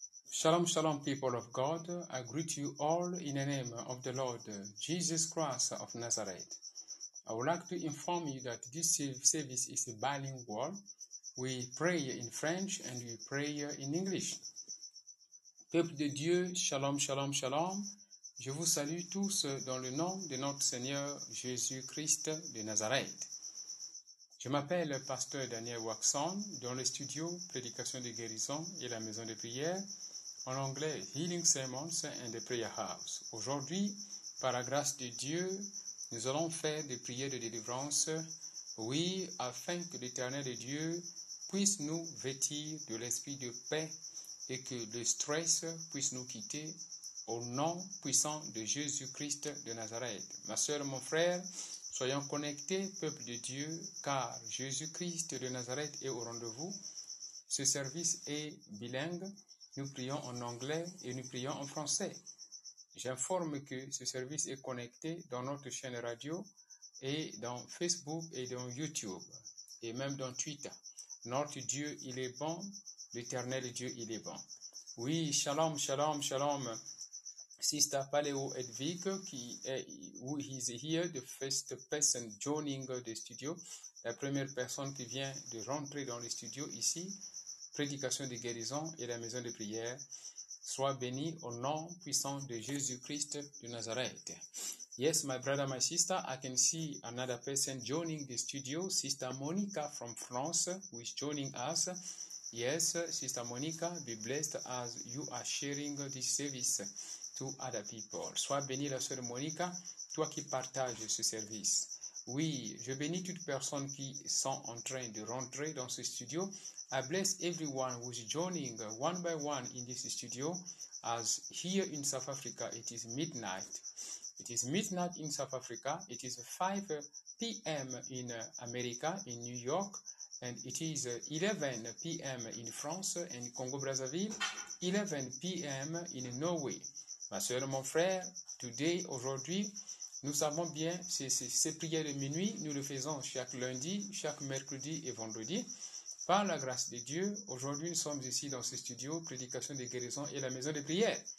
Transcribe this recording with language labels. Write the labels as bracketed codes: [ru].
[en] Shalom, shalom, people of God. I greet you all in the name of the Lord Jesus Christ of Nazareth. I would like to inform you that this service is bilingual. We pray in French and we pray in English. [fr] Peuple de Dieu, shalom, shalom, shalom. Je vous salue tous dans le nom de notre Seigneur Jésus-Christ de Nazareth. Je m'appelle Pasteur Daniel Waxon, dans le studio Prédication de guérison et la maison de prière. En anglais, Healing Sermons and the Prayer House. Aujourd'hui, par la grâce de Dieu, nous allons faire des prières de délivrance, oui, afin que l'Éternel de Dieu puisse nous vêtir de l'esprit de paix et que le stress puisse nous quitter au nom puissant de Jésus-Christ de Nazareth. Ma sœur, mon frère, soyons connectés, peuple de Dieu, car Jésus-Christ de Nazareth est au rendez-vous. Ce service est bilingue. Nous prions en anglais et nous prions en français. J'informe que ce service est connecté dans notre chaîne radio et dans Facebook et dans YouTube et même dans Twitter. Notre Dieu, il est bon. L'éternel Dieu, il est bon. Oui, shalom, shalom, shalom. [en] Sister Paleo Edvig, who is here, the first person joining the studio. [fr] La première personne qui vient de rentrer dans le studio ici. Prédication de guérison et la maison de prière, soit béni au nom puissant de Jésus-Christ de Nazareth. [en] Yes, my brother, my sister, I can see another person joining the studio, Sister Monica from France, who is joining us. Yes, Sister Monica, be blessed as you are sharing this service to other people. [fr] Sois béni, la sœur Monica, toi qui partages ce service. Oui, je bénis toutes personnes qui sont en train de rentrer dans ce studio. [en] I bless everyone who is joining one by one in this studio, as here in South Africa, it is midnight. It is midnight in South Africa. It is 5 p.m. in America, in New York, and it is 11 p.m. in France and Congo-Brazzaville, 11 p.m. in Norway. [fr] Ma soeur, mon frère, [en] today, [fr] aujourd'hui, nous savons bien ces prières de minuit. Nous le faisons chaque lundi, chaque mercredi et vendredi. Par la grâce de Dieu, aujourd'hui nous sommes ici dans ce studio, prédication des guérisons et la maison de prière.